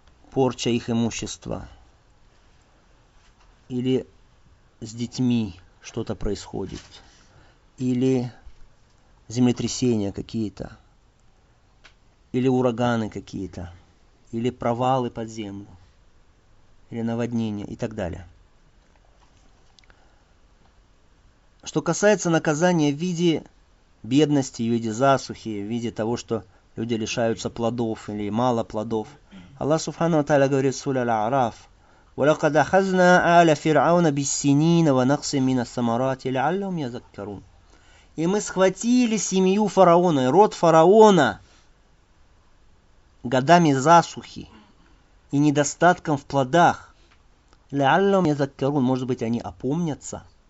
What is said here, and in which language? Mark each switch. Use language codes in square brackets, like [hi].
[ru] порча их имущества, или с детьми что-то происходит, или землетрясения какие-то, или ураганы какие-то, или провалы под землю, или наводнения, и так далее. Что касается наказания в виде бедности, в виде засухи, в виде того, что люди лишаются плодов или мало плодов, Аллах Субхану ва Тааля говорит в суре Аль-Араф, [ar] ولقد أخذنا آل فرعون بالسنين ونقص من الثمرات لعلهم يذكرون. [ru] И мы схватили семью фараона, род фараона годами засухи и недостатком в плодах. [ar] Лялом я закарун, [ru] может быть, они опомнятся.